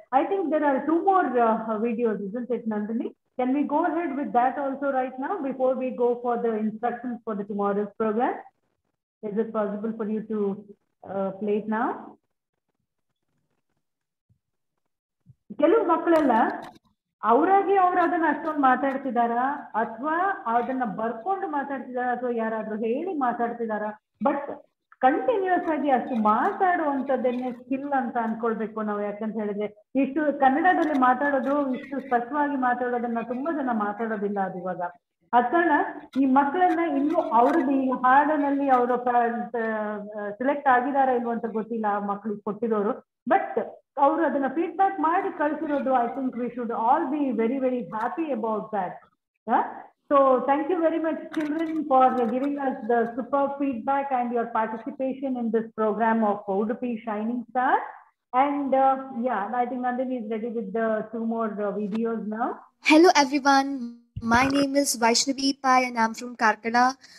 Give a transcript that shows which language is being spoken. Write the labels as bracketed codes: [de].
[en] I think there are two more videos, isn't it Nandini? Can we go ahead with that also right now before we go for the instructions for the tomorrow's program? Is it possible for you to play it now? [kn] ಕೆಲವು ಮಕ್ಕಳೆಲ್ಲ ಅವರಾಗಿ ಅವರು ಅದನ್ನ ಅಷ್ಟೊಂದು ಮಾತಾಡ್ತಿದಾರ ಅಥವಾ ಅದನ್ನ ಬರ್ಕೊಂಡು ಮಾತಾಡ್ತಿದಾರ ಅಥವಾ ಯಾರಾದ್ರೂ ಹೇಳಿ ಮಾತಾಡ್ತಿದಾರ ಬಟ್ ಕಂಟಿನ್ಯೂಸ್ ಆಗಿ ಅಷ್ಟು ಮಾತಾಡುವಂತದ್ದನ್ನೇ ಸ್ಕಿಲ್ ಅಂತ ಅನ್ಕೊಳ್ಬೇಕು ನಾವು. ಯಾಕಂತ ಹೇಳಿದ್ರೆ ಇಷ್ಟು ಕನ್ನಡದಲ್ಲಿ ಮಾತಾಡೋದು ಇಷ್ಟು ಸ್ಪಷ್ಟವಾಗಿ ಮಾತಾಡೋದನ್ನ ತುಂಬಾ ಜನ ಮಾತಾಡೋದಿಲ್ಲ ಅದು ಇವಾಗ. ಅದಕ್ಕಾರಣ ಈ ಮಕ್ಕಳನ್ನ ಇನ್ನು ಅವ್ರದ್ದು ಈ ಹಾಡಿನಲ್ಲಿ ಅವರು ಸೆಲೆಕ್ಟ್ ಆಗಿದಾರ ಇಲ್ವ ಅಂತ ಗೊತ್ತಿಲ್ಲ ಆ ಮಕ್ಳಿಗೆ ಕೊಟ್ಟಿರೋರು, ಬಟ್ ಅವರು ಅದನ್ನ ಫೀಡ್ಬ್ಯಾಕ್ ಮಾಡಿ ಕಳಿಸಿರೋದು. [en] I think we should all be very very happy about that. So thank you very much, children, for giving us the superb feedback and your participation in this program of Udupi Shining Star. And I think Nandini is ready with the two more videos now. Hello everyone, my name is Vaishnavi Pai and I'm from Karkala.